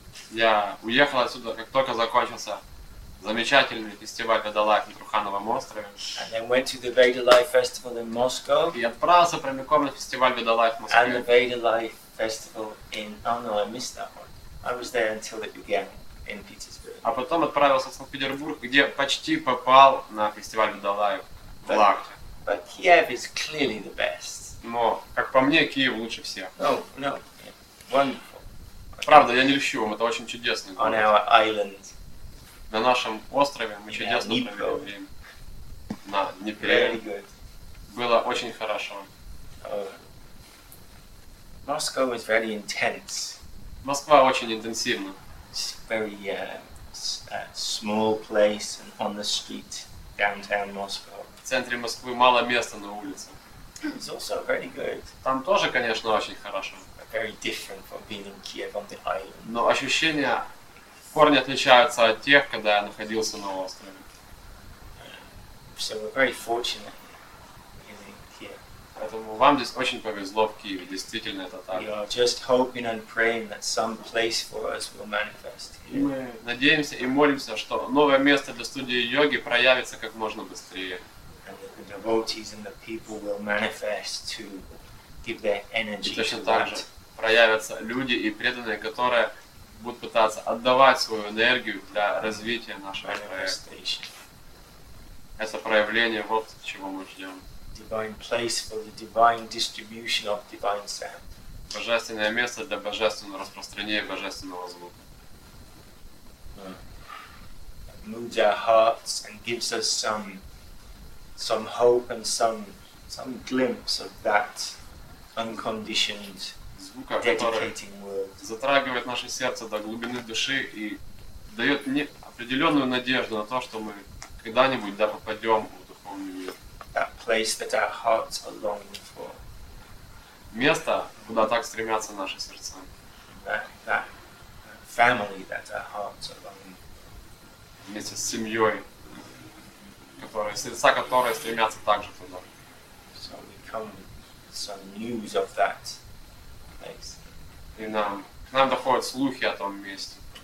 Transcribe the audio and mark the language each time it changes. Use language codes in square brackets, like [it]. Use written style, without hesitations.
[ru] Я уехал отсюда, как только закончился замечательный фестиваль Veda Life на Трухановом острове. [en] And then went to the Veda Life Festival in Moscow. [ru] И отправился прямиком на фестиваль Veda Life в Москве. [en] And the Veda Life Festival in... Oh no, I missed that one. I was there until it began in Petersburg. [ru] А потом отправился в Санкт-Петербург, где почти попал на фестиваль Veda Life в Лахте. [en] But Kiev is clearly the best. [ru] Но, как по мне, Киев лучше всех. [en] No. Wonderful. [ru] Правда, я не льщу вам, это очень чудесный город. [en] On our island. [ru] На нашем острове мы чудесно провели время. На Днепре. Было очень хорошо. [en] Moscow is very intense. [ru] Москва очень интенсивна. [en] It's very small place and on the street downtown Moscow. [ru] В центре Москвы мало места на улице. [en] It's also very good. [ru] Там тоже, конечно, очень хорошо. [en] But very different from being in Kiev on the island. [ru] Но ощущения корни отличаются от тех, когда я находился на острове. [en] So we're very fortunate in Kiev. [ru] Поэтому вам здесь очень повезло в Киеве, действительно это так. [en] We are just hoping and praying that some place for us will manifest. [ru] И мы надеемся и молимся, что новое место для студии йоги проявится как можно быстрее. [en] And the devotees and the people will manifest to give their energy. [ru] И точно так же проявятся люди и преданные, которые будут пытаться отдавать свою энергию для развития нашего проекта. Это проявление, вот чего мы ждем. [en] Divine place for the divine distribution of divine sound. [ru] Божественное место для божественного распространения божественного звука. [en] It moves our hearts and gives us some hope and some glimpse of that unconditioned [ru] звука, [en] dedicating world. [ru] Затрагивает наше сердце до глубины души и дает мне определенную надежду на то, что мы когда-нибудь да попадем в духовный мир. [en] That place that our hearts are longing for. [ru] Место, куда так стремятся наши сердца. [en] That family that our hearts are longing for. [ru] Вместе с семьей, которые, сердца которой стремятся также туда. [en] So we come with some news of that place. [ru] И нам, к нам доходят слухи о том месте.